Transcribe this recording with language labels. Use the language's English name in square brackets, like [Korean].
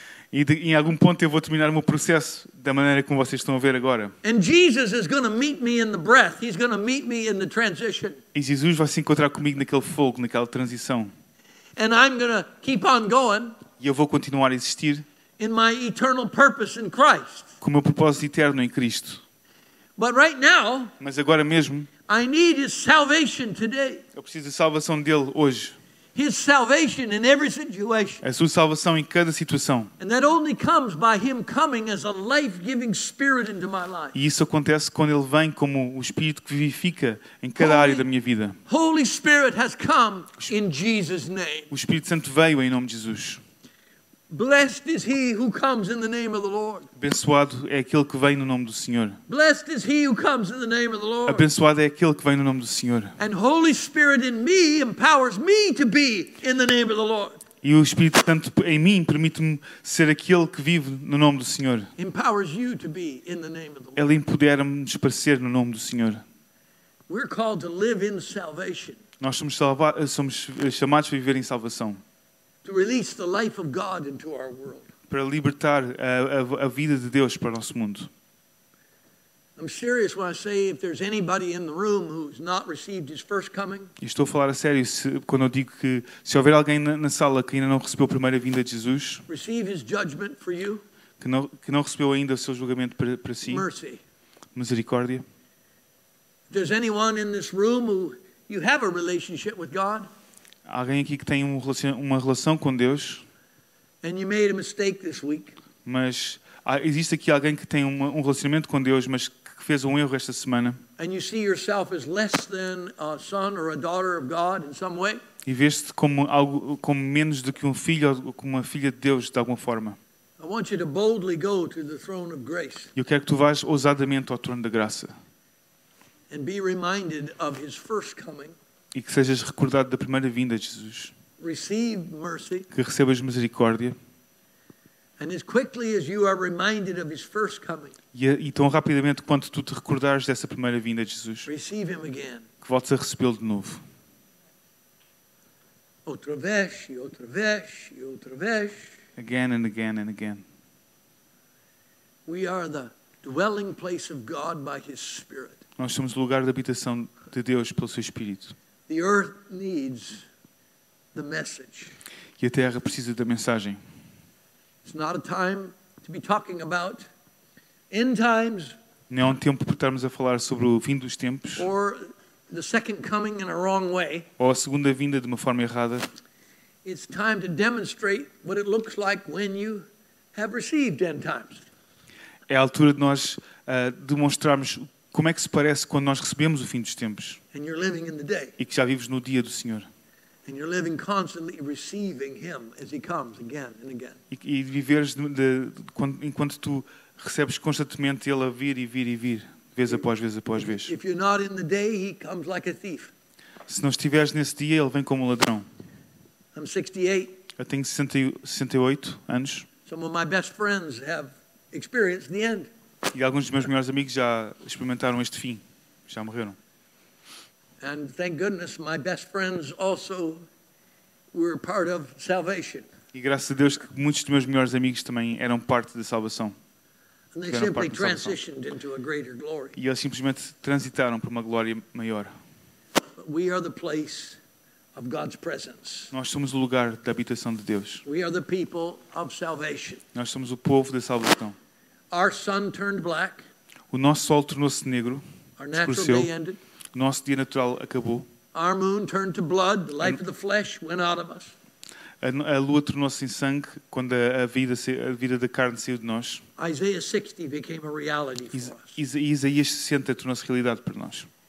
[Portuguese] Em algum ponto eu vou terminar o meu processo da maneira como vocês estão a ver agora. [English] And Jesus is going to meet me in the breath. He's going to meet me in the transition. [Portuguese] E Jesus vai se encontrar comigo naquele fogo, naquela transição. [English] And I'm going to keep on going. [Portuguese] E eu vou continuar a existir. [English] In my eternal purpose in Christ. [Portuguese] Com o meu propósito eterno em Cristo. [English] But right now, [Portuguese] mas agora mesmo, [English] I need his salvation today. [Portuguese] Eu preciso da salvação dele hoje. [English] His salvation in every situation. [Portuguese] A sua salvação em cada situação. [English] And that only comes by him coming as a life-giving spirit into my life. [Portuguese] E isso acontece quando ele vem como o espírito que vivifica em cada área da minha vida. [English] Holy Spirit has come in Jesus' name. [Portuguese] O Espírito Santo veio em nome de Jesus. [English] Blessed is he who comes in the name of the Lord. [Portuguese] Abençoado é aquele que vem no nome do Senhor. [English] Blessed is he who comes in the name of the Lord. [Portuguese] Abençoado é aquele que vem no nome do Senhor. [English] And Holy Spirit in me empowers me to be in the name of the Lord. [Portuguese] E o Espírito Santo em mim permite-me ser aquele que vive no nome do Senhor. [English] Empowers you to be in the name of the Lord. [Portuguese] Ele empodera-me para ser no nome do Senhor. [English] We're called to live in salvation. [Portuguese] Nós somos chamados a viver em salvação. [English] To release the life of God into our world. [Portuguese] Para libertar a vida de Deus para o nosso mundo. [English] I'm serious when I say if there's anybody in the room who's not received his first coming. [Portuguese] Estou a falar a sério quando eu digo que se houver alguém na sala que ainda não recebeu a primeira vinda de Jesus. [English] Receive his judgment for you. [Portuguese] Que não recebeu ainda o seu julgamento para si. [English] Mercy. [Portuguese] Misericórdia. [English] If there's anyone in this room who you have a relationship with God. [Portuguese] Alguém aqui que tem uma relação com Deus. [English] And you made a mistake this week. [Portuguese] Mas existe aqui alguém que tem um relacionamento com Deus, mas que fez um erro esta semana. [English] And you see yourself as less than a son or a daughter of God in some way. [Portuguese] E vês-te como menos do que um filho ou como uma filha de Deus, de alguma forma. [English] I want you to boldly go to the throne of grace. [Portuguese] Eu quero que tu vás ousadamente ao trono da graça. [English] And be reminded of his first coming. [Portuguese] E que sejas recordado da primeira vinda de Jesus. [English] Receive mercy. [Portuguese] Que recebas misericórdia. [English] And as quickly as you are reminded of his first coming. [Portuguese] E tão rapidamente quanto tu te recordares dessa primeira vinda de Jesus. [English] Receive him again. [Portuguese] Que voltes a recebê-lo de novo. Outra vez, e outra vez, e outra vez. [English] Again and again and again. We are the dwelling place of God by his Spirit. [Portuguese] Nós somos o lugar de habitação de Deus pelo seu Espírito. [English] The earth needs the message. [Portuguese] E a terra precisa da mensagem. [English] It's not a time to be talking about end times. [Portuguese] Não é um tempo para estarmos a falar sobre o fim dos tempos. [English] Or the second coming in a wrong way. [Portuguese] Ou a segunda vinda de uma forma errada. [English] It's time to demonstrate what it looks like when you have received end times. [Portuguese] É a altura de nós demonstrarmos como é que se parece quando nós recebemos o fim dos tempos? [English] And you're living in the day. [Portuguese] E que já vives no dia do Senhor. [English] And you're living constantly receiving him as he comes again and again. [Portuguese] E viveres enquanto tu recebes constantemente ele a vir e vir e vir, vez após vez após vez. [English] If you're not in the day, he comes like a thief. [Portuguese] Se não estiveres nesse dia, ele vem como um ladrão. [English] I'm 68. [Portuguese] Eu tenho 68 anos. [English] Some of my best friends have experienced the end. [Portuguese] E alguns dos meus melhores amigos já experimentaram este fim. Já morreram. [English] And thank goodness my best friends also were part of salvation. [Portuguese] E graças a Deus que muitos dos meus melhores amigos também eram parte da salvação. [English] And they simply transitioned into a greater glory. [Portuguese] E eles simplesmente transitaram para uma glória maior. [English] But we are the place of God's presence. [Portuguese] Nós somos o lugar da habitação de Deus. [English] We are the people of salvation. [Portuguese] Nós somos o povo da salvação. [English] Our sun turned black. [Portuguese] O nosso sol tornou-se negro. [English] Our natural day ended. [Portuguese] Nosso dia natural acabou. [English] Our moon turned to blood. The life of the flesh went out of us. [Portuguese] A lua tornou-se em sangue quando a vida da carne saiu de nós. [English] Isaiah 60 became a reality for us. [Portuguese] Isaías 60 tornou-se realidade para nós.